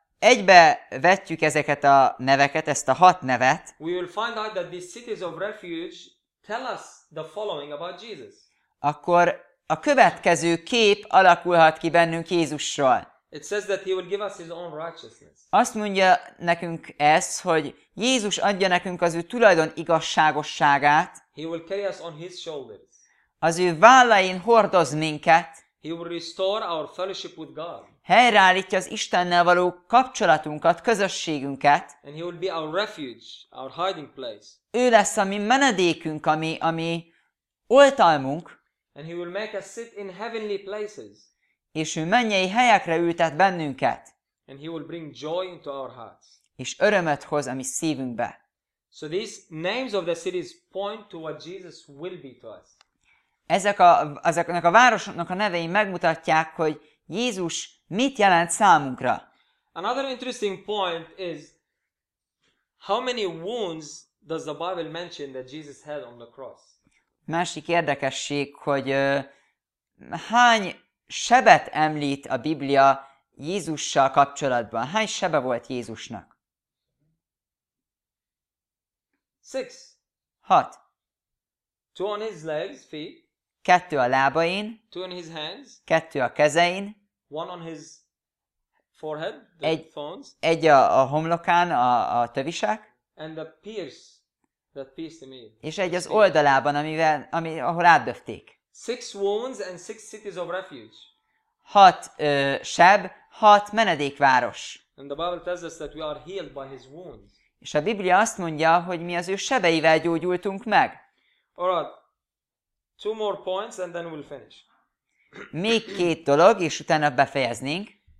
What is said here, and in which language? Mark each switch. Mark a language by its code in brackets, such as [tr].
[hu] egybe vetjük ezeket a neveket, ezt a hat nevet, [en] we will find out that these cities of refuge tell us the following about Jesus. [hu] Akkor a következő kép alakulhat ki bennünk Jézusról. [en] It says that he will give us his own righteousness. [hu] Azt mondja nekünk ez, hogy Jézus adja nekünk az ő tulajdon igazságosságát. [en] He will carry us on his shoulders. [hu] Az ő vállain hordoz minket. [en] He will restore our fellowship with God. [hu] Helyreállítja az Istennel való kapcsolatunkat, közösségünket. [en] And he will be our refuge, our hiding place. [hu] Ő lesz a mi menedékünk, ami oltalmunk. [en] And he will make us sit in heavenly places. [hu] És ő mennyei helyekre ültet bennünket. [en] And he will bring joy into our hearts. [hu] És örömet hoz a mi szívünkbe. [en] So these names of the cities point to what Jesus will be to us. [hu] Ezeknek a városoknak a nevei megmutatják, hogy Jézus mit jelent számunkra. [en] Another interesting point is how many wounds does the Bible mention that Jesus had on the cross? [hu] Másik érdekesség, hogy hány sebet említ a Biblia Jézussal kapcsolatban. Hány sebe volt Jézusnak? [en] 6. [hu] 6. [en] 2 on his legs, feet. [hu] 2 a lábain. [en] 2 on his hands. [hu] 2 a kezein. [en] 1 on his forehead, the thorns. [hu] Egy a homlokán, a tövisek. [en] And the pierce that pierced him. [hu] És egy az oldalában, ahol átdöfték. [en] 6 wounds and 6 cities of refuge. [hu] 6 seb, 6 menedékváros. [en] And the Bible tells us that we are healed by his wounds. [hu] És a Biblia azt mondja, hogy mi az ő sebeivel gyógyultunk meg. [en] All right. Two more points and then we'll finish. [hu] Még két dolog, és utána befejeznénk.